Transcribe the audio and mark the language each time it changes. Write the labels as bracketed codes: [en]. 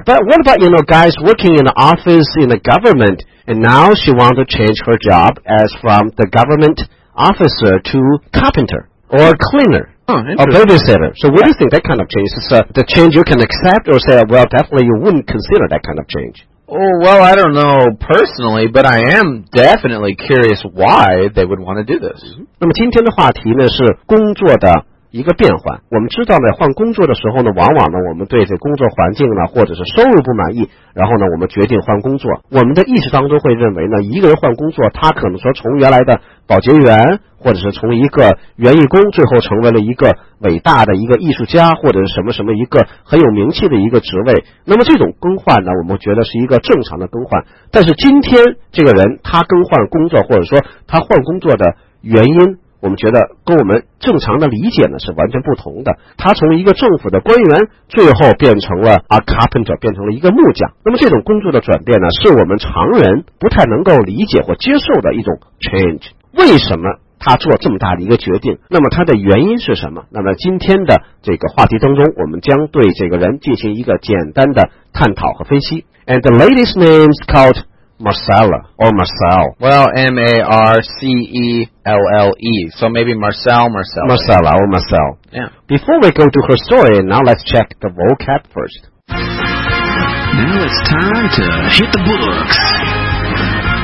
[en] But what about, you know, guys working in the office in the government, and now she wants to change her job as from the government officer to carpenter or cleaner or babysitter. So what do you think that kind of change? Is the change you can accept or say, well, definitely you wouldn't consider that kind of change? Oh, well, I don't know personally, but I am definitely curious why they would want to do this. Mm-hmm. [zh] 那么今天的话题呢是工作的一个变换。我们知道呢，换工作的时候呢，往往呢，我们对这工作环境呢，或者是收入不满意，然后呢，我们决定换工作。我们的意识当中会认为呢，一个人换工作，他可能说从原来的保洁员，或者是从一个园艺工，最后成为了一个伟大的一个艺术家，或者是什么什么一个很有名气的一个职位。那么这种更换呢，我们觉得是一个正常的更换。但是今天这个人他更换工作，或者说他换工作的原因，我们觉得跟我们正常的理解呢是完全不同的。他从一个政府的官员最后变成了 [en] a carpenter, [zh] 变成了一个木匠。那么这种工作的转变呢，是我们常人不太能够理解或接受的一种 change。为什么他做这么大的一个决定？那么他的原因是什么？那么今天的这个话题当中，我们将对这个人进行一个简单的探讨和分析。 [en] And the lady's name is called Marcella or Marcel. Well, Marcelle. So maybe Marcel. Marcella or Marcel. Yeah. Before we go to her story, now let's check the vocab first. Now it's time to hit the books.